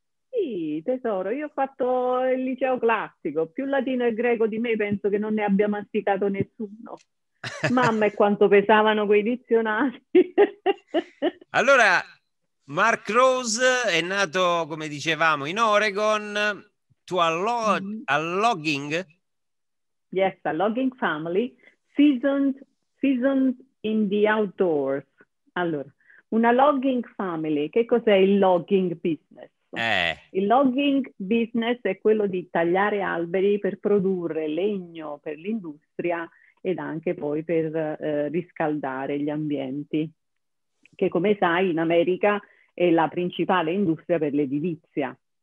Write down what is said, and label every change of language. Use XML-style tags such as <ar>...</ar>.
<it>Sì, tesoro, io ho fatto il liceo classico, più latino e greco di me penso che non ne abbia masticato nessuno. Mamma, e quanto pesavano quei dizionari. Allora, Mark Rose è nato, come dicevamo, in Oregon,</it> <en>to a logging? Yes, a logging family, seasoned in the outdoors.</en> <it>Allora, una logging family, che cos'è il logging business? Il logging business è quello di tagliare alberi per produrre legno per l'industria ed anche poi per riscaldare gli ambienti, che come sai in America è la principale industria per l'edilizia.</it>